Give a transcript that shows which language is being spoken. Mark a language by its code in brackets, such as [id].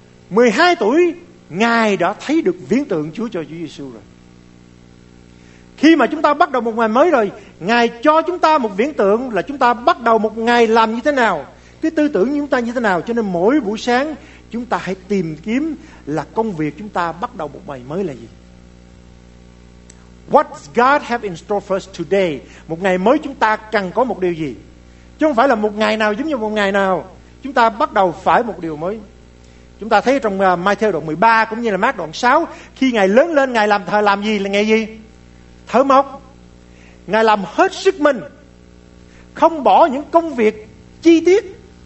[vi] 12 tuổi, ngài đã thấy được viễn tượng Chúa cho Chúa Giêsu rồi. Khi mà chúng ta bắt đầu một ngày mới rồi, ngài cho chúng ta một viễn tượng là chúng ta bắt đầu một ngày làm như thế nào, cái tư tưởng chúng ta như thế nào. Cho nên mỗi buổi sáng, chúng ta hãy tìm kiếm là công việc chúng ta bắt đầu một ngày mới là gì. [en] What God have in store for us today? [vi] Một ngày mới chúng ta cần có một điều gì? Chứ không phải là một ngày nào giống như một ngày nào. Chúng ta bắt đầu phải một điều mới. Chúng ta thấy trong Ma-thiơ đoạn 13 cũng như là Mác đoạn 6, khi ngài lớn lên, ngài làm thờ làm gì? Là ngày gì? Thợ mộc. Ngài làm hết sức mình, không bỏ những công việc chi tiết.